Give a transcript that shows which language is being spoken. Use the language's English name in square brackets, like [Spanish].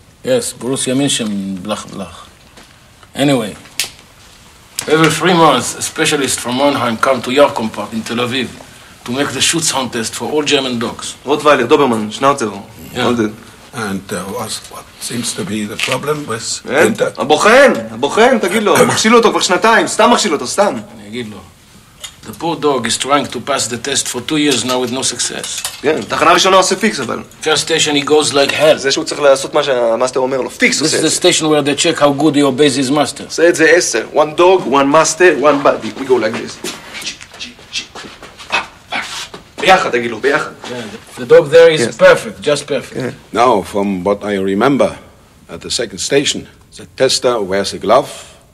[English] Yes, Borussia Mönchen, blach, blach. Anyway, every 3 months, a specialist from Mannheim come to Yarkom Park in Tel Aviv to make the Schutzhund test for all German dogs. Rottweiler, Dobermann, Schnauzer. Yeah. And what seems to be the problem with Ginter? [Hebrew] הבוחן, הבוחן, תגיד לו. מכשיל אותו כבר שנתיים, סתם מכשיל אותו, סתם. [English] The poor dog is trying to pass the test for 2 years now with no success. [Hebrew] Yeah, תחנה ראשונה עושה פיקס, אבל... [English] First station he goes like hell. [Hebrew] זה שהוא צריך לעשות מה שהמאסטר אומר לו, פיקס עושה את זה. [English] This is the station where they check how good he obeys his master. [Hebrew] עושה את זה עשר. [English] One dog, one master, one body. We go like this. [Hebrew] ביחד, תגיד לו, ביחד. [English] The dog there is perfect, just perfect. Now, from what I remember at the second station, the tester wears a glove.